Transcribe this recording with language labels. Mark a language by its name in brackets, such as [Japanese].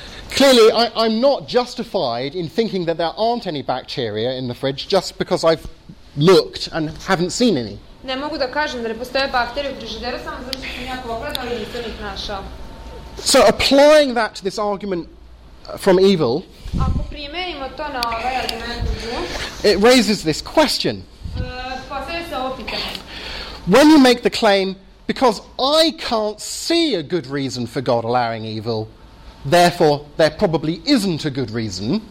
[English] Clearly, I'm not justified in thinking that there aren't any bacteria in the fridge just because I've looked and haven't seen any. [Serbian] Ne mogu da kažem da ne postoje bakterije u frižideru, samo zato što sam ja pogledala i nisam ih našao. [English] So applying that to this argument from evil, [Serbian] ako primjerimo to na ovaj argument od zla, [English] it raises this question. [Serbian] Postavlja se ovo pitanje. [English] When you make the claim, because I can't see a good reason for God allowing evil, therefore, there probably isn't a good reason.